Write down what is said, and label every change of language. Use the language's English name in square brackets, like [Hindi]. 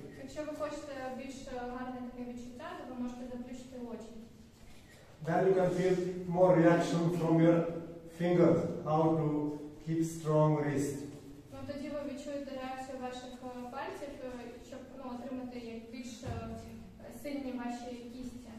[Ukrainian] Якщо ви хочете більш гарне таке відчуття, то ви можете заплющити очі. [English] Then you can feel more reaction from your fingers, how to keep strong wrist. [Ukrainian] Ну, тоді ви відчуєте реакцію ваших пальців, щоб отримати більш сильні ваші кісті.